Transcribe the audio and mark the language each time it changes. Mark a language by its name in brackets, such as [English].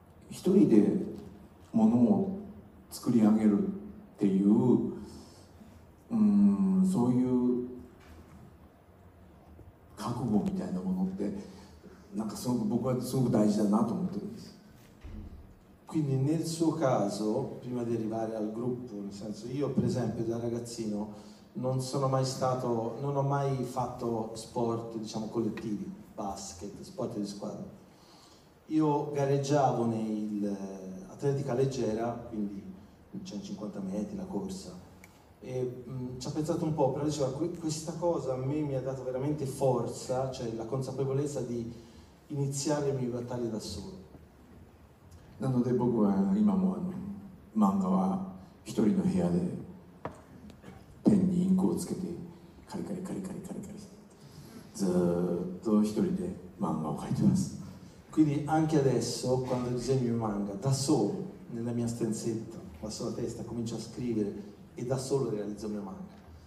[Japanese] 一人で物を作り上げるっていう、そういう覚悟みたいなものって、なんかすごく僕はすごく大事だなと思ってるんです。 [Italian] Quindi nel suo caso, prima di arrivare al gruppo, nel senso io per esempio da ragazzino non sono mai stato, non ho mai fatto sport, diciamo collettivi, basket, sport di squadra. Io gareggiavo nell'atletica leggera, quindi 150 metri, la corsa, e ci ho pensato un po', però diceva questa cosa a me mi ha dato veramente forza, cioè la consapevolezza di iniziare le mie battaglie da solo. [Japanese] なので僕は今も漫画は一人の部屋でペンにインクをつけてカリカリカリカリカリカリずっと一人で漫画を描いてます。 [Italian] Quindi anche adesso, quando disegno il manga, da solo, nella mia stanzetta, la sola testa, comincio a scrivere e da solo realizzo il mio manga.